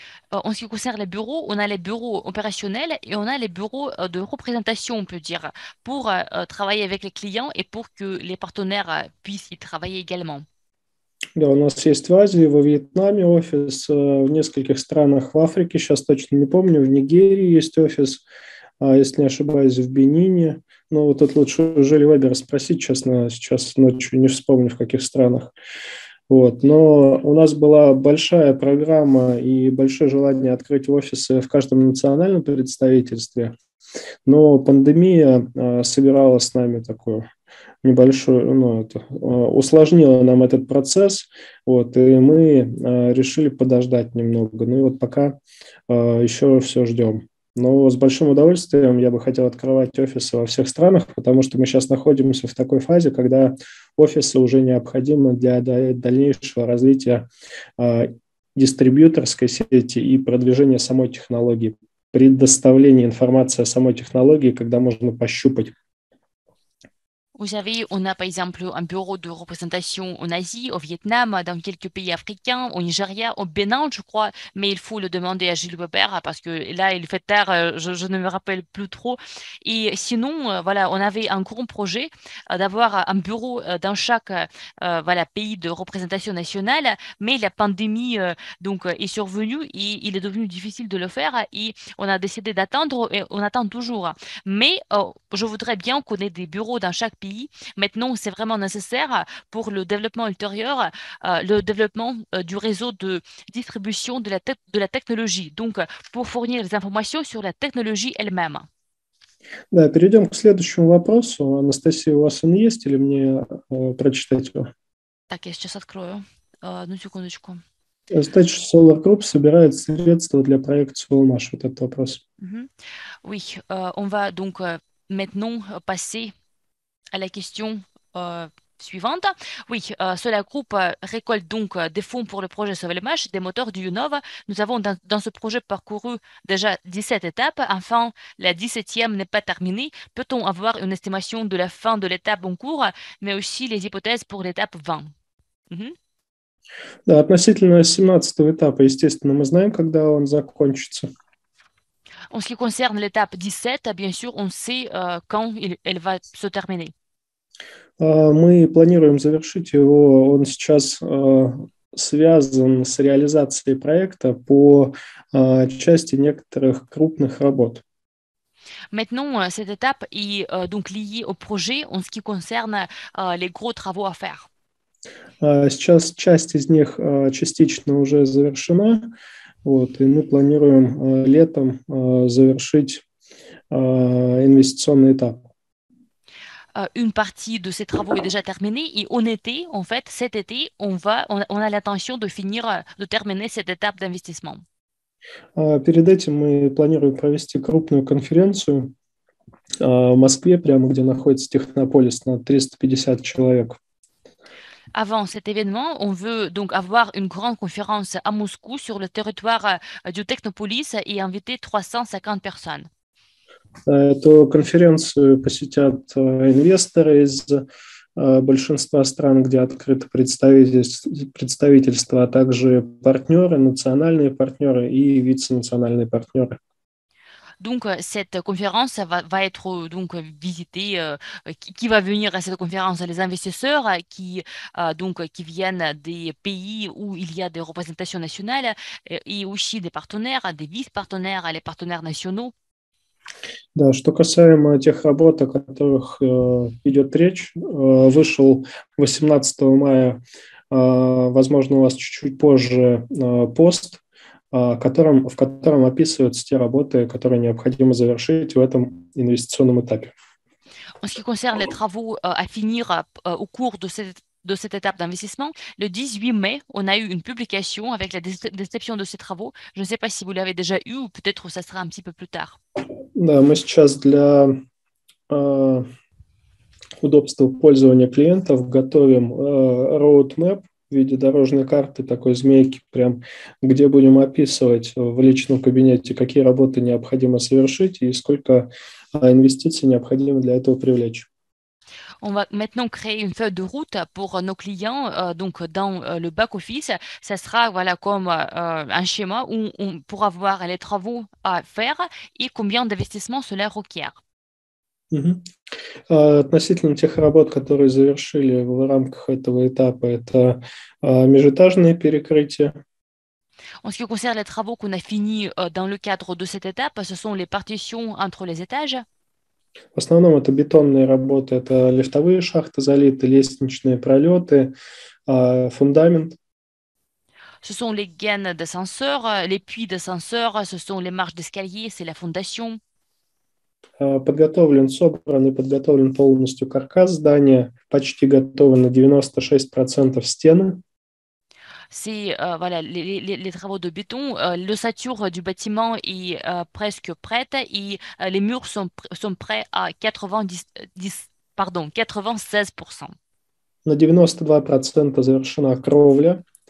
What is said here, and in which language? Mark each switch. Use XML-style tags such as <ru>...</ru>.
<fr>En ce qui concerne les bureaux, on a les bureaux opérationnels et on a les bureaux de représentation, on peut dire, pour travailler avec les clients et pour que les partenaires puissent y travailler également.</fr> <ru>Да, у нас есть в Азии, во Вьетнаме офис, в нескольких странах в Африке, сейчас точно не помню, в Нигерии есть офис. если не ошибаюсь, в Бенине. Но вот тут лучше уже Левабера спросить, честно, сейчас ночью не вспомню, в каких странах. Вот. Но у нас была большая программа и большое желание открыть офисы в каждом национальном представительстве. Но пандемия сыграла с нами такую небольшую, ну, это, усложнила нам этот процесс, вот, и мы решили подождать немного. Ну и вот пока еще все ждем. Но с большим удовольствием я бы хотел открывать офисы во всех странах, потому что мы сейчас находимся в такой фазе, когда офисы уже необходимы для дальнейшего развития дистрибьюторской сети и продвижения самой технологии, предоставления информации о самой технологии, когда можно пощупать.</ru> <fr>Vous savez, on a par exemple un bureau de représentation en Asie, au Vietnam, dans quelques pays africains, au Nigeria, au Bénin, je crois. Mais il faut le demander à Gilles Weber parce que là, il fait tard, je ne me rappelle plus trop. Et sinon, voilà, on avait un grand projet d'avoir un bureau dans chaque voilà, pays de représentation nationale. Mais la pandémie donc, est survenue et il est devenu difficile de le faire. Et on a décidé d'attendre et on attend toujours. Mais je voudrais bien qu'on ait des bureaux dans chaque pays. Maintenant, c'est vraiment nécessaire pour le développement ultérieur, le développement du réseau de distribution de la technologie. Donc, pour fournir les informations sur la technologie elle-même.</fr> <ru>Да, перейдем к следующему вопросу. Анастасия, у вас он есть или мне прочитать его? Так, я сейчас открою. Одну секундочку. Stage Solar Group собирает средства для проекта Solmash. Вот этот вопрос.</ru> <fr>Oui, on va donc maintenant passer à la question suivante. Oui, Solar Group récolte donc des fonds pour le projet Solmash, des moteurs du Unova. Nous avons dans ce projet parcouru déjà 17 étapes. Enfin, la 17e n'est pas terminée. Peut-on avoir une estimation de la fin de l'étape en cours, mais aussi les hypothèses pour l'étape 20?</fr> <ru>Да, относительно 17-го этапа, естественно, мы знаем, когда он закончится.</ru> <fr>En ce qui concerne l'étape 17, bien sûr, on sait quand elle va se terminer.</fr> <ru>Мы планируем завершить его. Он сейчас связан с реализацией проекта по части некоторых крупных работ.</ru> <fr>Maintenant, cette étape est donc liée au projet en ce qui concerne les gros travaux à faire.</fr> <ru>Сейчас часть из них частично уже завершена. Вот, и мы планируем летом завершить инвестиционный этап.</ru> <fr>Une partie de ces travaux est déjà terminée et en été, en fait, cet été, on a l'intention de finir, de terminer cette étape d'investissement.</fr> <ru>Перед этим мы планируем провести крупную конференцию в Москве, прямо где находится Технополис, на 350 человек.</ru> <fr>Avant cet événement, on veut donc avoir une grande conférence à Moscou sur le territoire du Technopolis et inviter 350 personnes.</fr> <ru>Эту конференцию посетят инвесторы из большинства стран, где открыто представительство, а также партнеры, национальные партнеры и вице-национальные партнеры.</ru> <fr>Donc cette conférence va être donc visitée. Qui va venir à cette conférence? Les investisseurs qui viennent des pays où il y a des représentations nationales et aussi des partenaires, des vice-partenaires, les partenaires nationaux.</fr> <ru>Да, что касаемо тех работ, о которых идет речь, вышел 18 мая, возможно, у вас чуть-чуть позже пост, в котором описываются те работы, которые необходимо завершить в этом инвестиционном этапе.</ru> <fr>En ce qui concerne les travaux à finir au cours de cette étape d'investissement, le 18 mai, on a eu une publication avec la description de ces travaux. Je ne sais pas si vous l'avez déjà eu ou peut-être ça sera un petit peu plus tard.</fr> <ru>Да, мы сейчас для удобства пользования клиентов готовим roadmap в виде дорожной карты, такой змейки, прям где будем описывать в личном кабинете, какие работы необходимо совершить и сколько инвестиций необходимо для этого привлечь.</ru> <fr>On va maintenant créer une feuille de route pour nos clients, donc dans le back-office. Ça sera voilà, comme un schéma où on pourra voir les travaux à faire et combien d'investissements cela requiert.</fr> <ru>Относительно тех работ, которые завершили в рамках этого этапа, это межэтажные перекрытия.</ru> <fr>En ce qui concerne les travaux qu'on a finis dans le cadre de cette étape, ce sont les partitions entre les étages.</fr> <ru>В основном это бетонные работы, это лифтовые шахты залиты, лестничные пролеты, фундамент.</ru> <fr>Ce sont les gaines d'ascenseur, les puits d'ascenseur, ce sont les marches d'escalier, c'est la fondation.</fr> <ru>Подготовлен, собран и подготовлен полностью каркас здания, почти готовы на 96% стены.</ru> <fr>C'est voilà, les travaux de béton, l'ossature du bâtiment est presque prête et les murs sont prêts à 96%.</fr> <ru>На 92% завершена кровля.</ru>